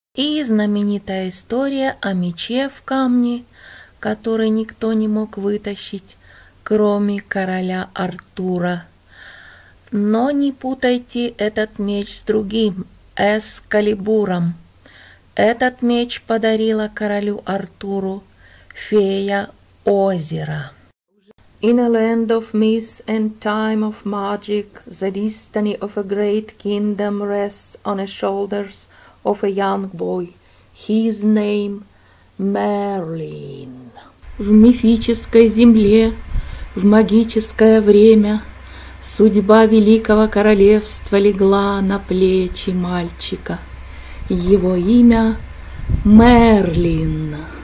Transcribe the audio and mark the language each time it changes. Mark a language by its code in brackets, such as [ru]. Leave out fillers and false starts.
[ru] И знаменитая история о мече в камне, который никто не мог вытащить, кроме короля Артура. Но не путайте этот меч с другим – Эскалибуром. Этот меч подарила королю Артуру фея озера. [en] In a land of mist and time of magic, the destiny of a great kingdom rests on the shoulders of a young boy. His name Merlin. [ru] В мифической земле, в магическое время, судьба великого королевства легла на плечи мальчика. Его имя Мерлин.